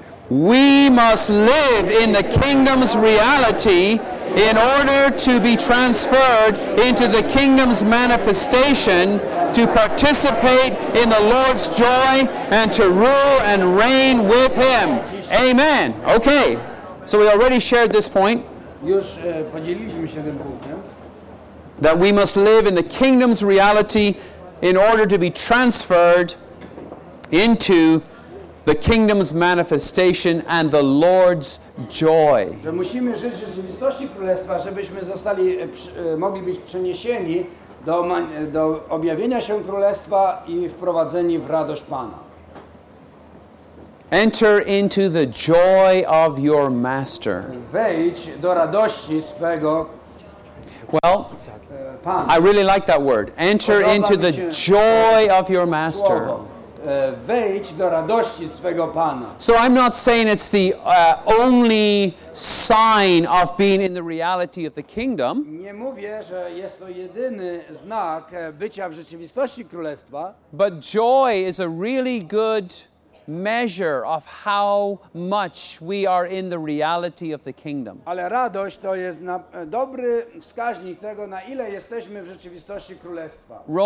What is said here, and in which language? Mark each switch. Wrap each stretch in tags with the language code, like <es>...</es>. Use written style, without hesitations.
<en>We must live in the kingdom's reality in order to be transferred into the kingdom's manifestation, to participate in the Lord's joy and to rule and reign with Him. Amen. Okay. So we already shared this point.</en> <pl>Już podzieliliśmy się tym punktem.</pl> <en>That we must live in the kingdom's reality in order to be transferred into the kingdom's manifestation and the Lord's joy.</en> <pl>Że musimy żyć w rzeczywistości królestwa, żebyśmy zostali mogli być przeniesieni do objawienia się królestwa i wprowadzeni w radość Pana.</pl> <en>Enter into the joy of your master.</en> <pl>Wejdź do radości swego.</pl> <en>Well,</en> <pl>Pana.</pl> <en>I really like that word. Enter</en> <pl>podoba</pl> <en>into the joy of your master.</en> <pl>Słowo. Wejdź do radości swego Pana.</pl> <en>So I'm not saying it's the only sign of being in the reality of the kingdom.</en> <pl>Nie mówię, że jest to jedyny znak bycia w rzeczywistości królestwa.</pl> <en>But joy is a really good measure of how much we are in the reality of the kingdom.</en> <pl>Ale radość to jest dobry wskaźnik tego, na ile jesteśmy w rzeczywistości królestwa.</pl>